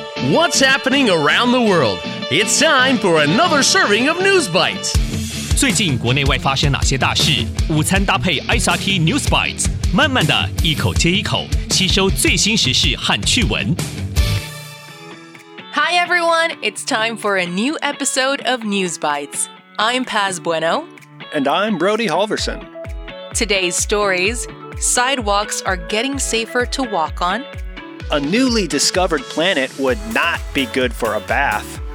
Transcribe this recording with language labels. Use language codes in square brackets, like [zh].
[en] What's happening around the world? It's time for another serving of News Bites. [zh] 最近国内外发生哪些大事？午餐搭配 SRT News Bites， 慢慢的一口接一口，吸收最新时事和趣闻。 [en] Hi everyone, it's time for a new episode of News Bites. I'm Paz Bueno. And I'm Brody Halverson. Today's stories, sidewalks are getting safer to walk on. A newly discovered planet would not be good for a bath.